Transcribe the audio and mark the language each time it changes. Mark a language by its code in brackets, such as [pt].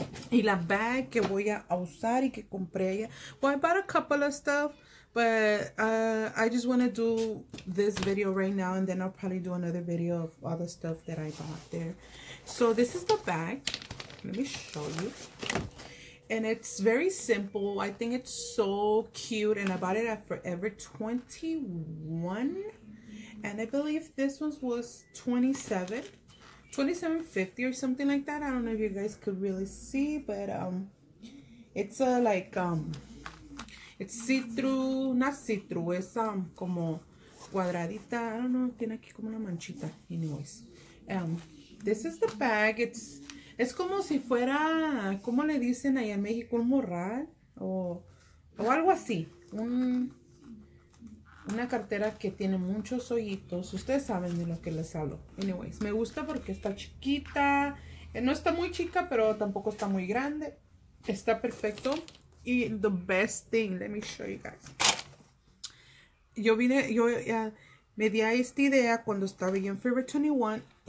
[es] Y la bag que voy a usar y que compré allá. [en] Well, I bought a couple of stuff, but I just want to do this video right now and then I'll probably do another video of all the stuff that I bought there. So, this is the bag. Let me show you. And it's very simple. I think it's so cute. And I bought it at Forever 21. And I believe this one was $27.50 or something like that. I don't know if you guys could really see. But it's a like, it's see-through. Not see-through. It's [es] como cuadradita. [en] I don't know. [es] Tiene aquí como una manchita. [en] Anyways. This is the bag. It's... [es] Es como si fuera, ¿cómo le dicen ahí en México? Un morral o algo así. Una cartera que tiene muchos hoyitos. Ustedes saben de lo que les hablo. Anyways, me gusta porque está chiquita. No está muy chica, pero tampoco está muy grande. Está perfecto. [en] Y the best thing, let me show you guys. [es] Me di a esta idea cuando estaba yo en Forever 21.